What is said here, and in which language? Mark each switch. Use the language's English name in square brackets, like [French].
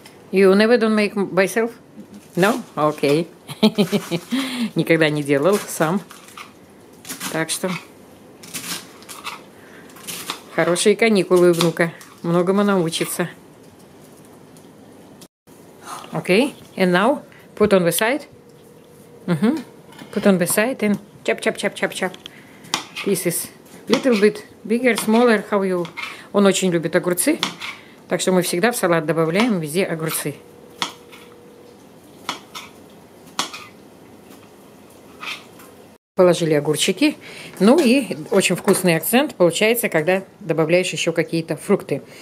[English] You never don't make myself? No? Okay. [Russian] Никогда не делал сам. Так что хорошие каникулы у внука. многому научиться. [English] Okay, and now put on the side. Mm-hmm. Put on the side and chop, chop, chop, chop, chop. Pieces. Little bit bigger, smaller, how you... [Russian] Он очень любит огурцы, так что мы всегда в салат добавляем везде огурцы. Положили огурчики. Ну и очень вкусный акцент получается, когда добавляешь еще какие-то фрукты.